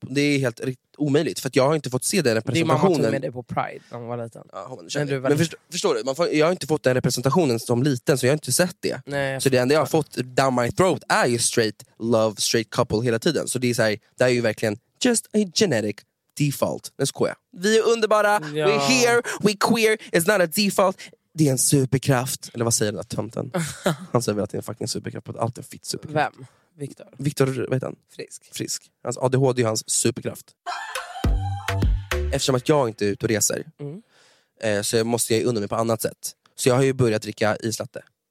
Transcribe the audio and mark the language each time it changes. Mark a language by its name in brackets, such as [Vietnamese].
[Swedish] Det är helt omöjligt, för att jag har inte fått se den representationen. Din mamma tog med dig på Pride när hon var liten. Men förstår du, jag har inte fått den representationen som liten, så jag har inte sett det. Nej, så det enda jag har fått [English] down my throat [Swedish] är ju [English] straight love, straight couple [Swedish] hela tiden. Så det är så här, det är ju verkligen [English] just a genetic default. [Swedish] Nu skojar jag. Vi är underbara, ja. [English] We're here, we're queer, it's not a default. [Swedish] Det är en superkraft. Eller vad säger den där tömten? Han säger väl att det är en fucking superkraft. På allt en fit superkraft. Vem? Viktor? Viktor, vad heter han? Frisk. Frisk. Hans ADHD är ju hans superkraft. Eftersom att jag inte är ute och reser. Så måste jag ju undra mig på annat sätt. Så jag har ju börjat dricka islatte.